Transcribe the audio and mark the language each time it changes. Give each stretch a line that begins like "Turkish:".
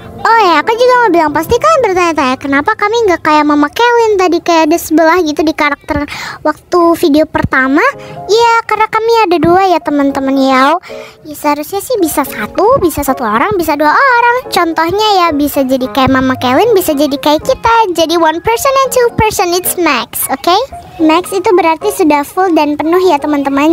Indonesian: Oh ya, aku juga mau bilang, pasti kalian bertanya-tanya kenapa kami nggak kayak Mama Kelin tadi, kayak ada sebelah gitu di karakter waktu video pertama. Iya, karena kami ada dua ya teman-teman ya. Ya seharusnya sih bisa satu orang, bisa dua orang. Contohnya ya, bisa jadi kayak Mama Kelin, bisa jadi kayak kita. Jadi
English: one person and two person, it's max, oke?
Indonesian: Max itu berarti sudah full dan penuh ya teman-teman.